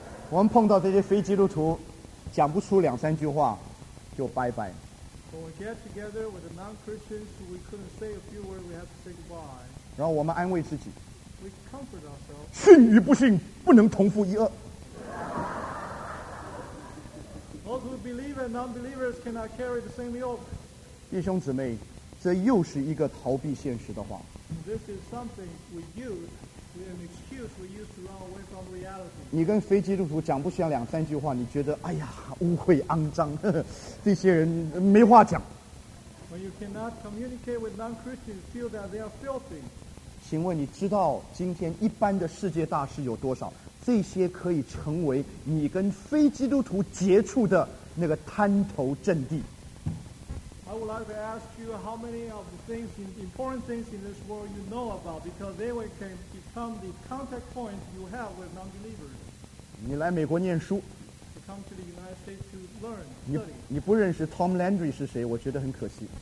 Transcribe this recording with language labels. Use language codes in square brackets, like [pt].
[zh] 我们碰到这些非基督徒，讲不出两三句话就拜拜。 [en] When we get together with the non-Christians, we couldn't say a few words. We have to say goodbye. [zh] 然后我们安慰自己。 [en] We comfort ourselves. [zh] 信与不信不能同父一轭。 [en] Those who believe and non-believers cannot carry the same yoke. [zh] 弟兄姊妹，这又是一个逃避现实的话。 [en] This is something we use. An excuse we use to run away from reality. [zh] 你跟非基督徒讲不像两三句话，你觉得哎呀污秽肮脏，呵呵，这些人没话讲。 [en] When you cannot communicate with non-Christians, feel that they are filthy. [zh] 请问你知道今天一般的世界大事有多少？这些可以成为你跟非基督徒接触的那个滩头阵地。 [en] I would like to ask you how many of the things, important things in this world you know about, because they can become the contact point you have with non-believers. [zh] 你来美国念书。 [en] You come to the United States to learn, study. [zh] 你不认识 Tom Landry 是谁，我觉得很可惜。